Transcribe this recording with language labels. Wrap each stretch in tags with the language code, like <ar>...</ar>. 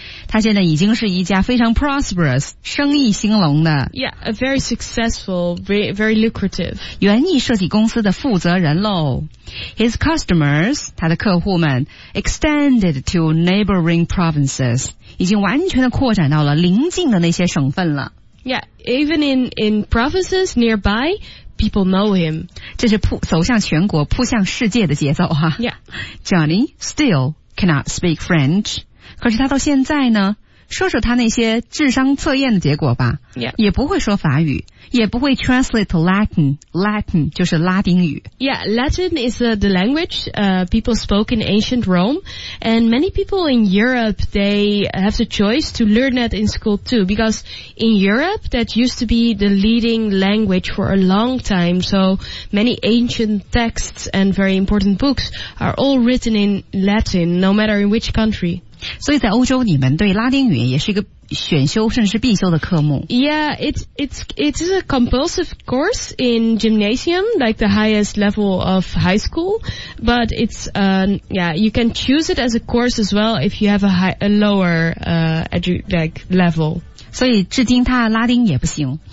<zh>他现在已经是一家非常 prosperous, 生意兴隆的。</zh> <en>Yeah, a very successful, very, very lucrative.</en> <zh>园艺设计公司的负责人咯。</zh> <en>His customers,</en> <zh>他的客户们</zh> <en>extended to neighboring provinces.</en> <zh>已经完全的扩展到了邻近的那些省份了。</zh> <en>Yeah, even in provinces nearby, people know him.</en> <zh>这是走向全国、扑向世界的节奏哈。</zh> <en>Yeah. Johnny still cannot speak French.</en> <zh>可是他到现在呢，说说他那些智商测验的结果吧。</zh> <en>Yeah.</en> <zh>也不会说法语，也不会</zh> <en>translate Latin.</en> <zh>Latin 就是拉丁语。</zh> <en>Yeah, Latin is the language people spoke in ancient Rome. And many people in Europe, they have the choice to learn that in school too. Because in Europe, that used to be the leading language for a long time. So many ancient texts and very important books are all written in Latin, no matter in which country.</en> <zh>所以在欧洲你们对拉丁语也是一个选修甚至是必修的科目</zh> <en>Yeah, it's a compulsive course in gymnasium like the highest level of high school but it's yeah, you can choose it as a course as well if you have a lower level</en> <zh>所以至今他拉丁也不行</zh>